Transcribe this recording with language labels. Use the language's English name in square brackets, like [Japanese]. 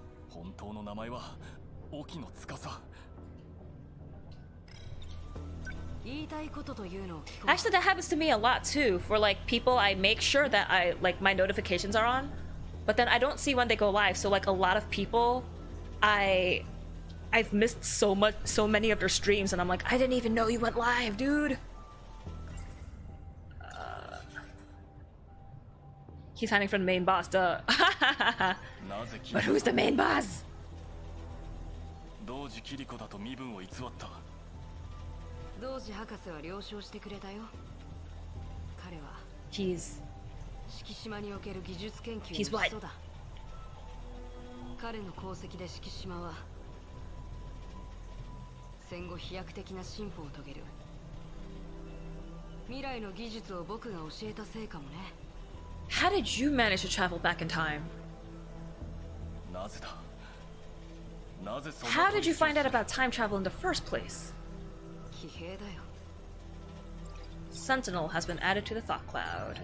[Japanese] 本当の名前は沖野つかさ。言いたいことというのを聞こう。 [English] Actually, that happens to me a lot too. For like people, I make sure that I like my notifications are on, but then I don't see when they go live. So like a lot of people, I've missed so many of their streams, and I'm like, I didn't even know you went live, dude. He's hiding from the main boss, duh. But who's the main boss? [Japanese] Doji Kiriko だと身分を偽った。 Doji 博士は了承してくれたよ。彼は。 [English] He's. [Japanese] 四季島における技術研究の基礎だ。彼の功績で四季島は。戦後飛躍的な進歩を遂げる未来の技術を僕が教えたせいかもね。 [English] How did you manage to travel back in time? [Japanese] なぜだ。なぜそんな。 [English] How did you find out about time travel in the first place? [Japanese] 騎兵だよ。 [English] Sentinel has been added to the thought cloud.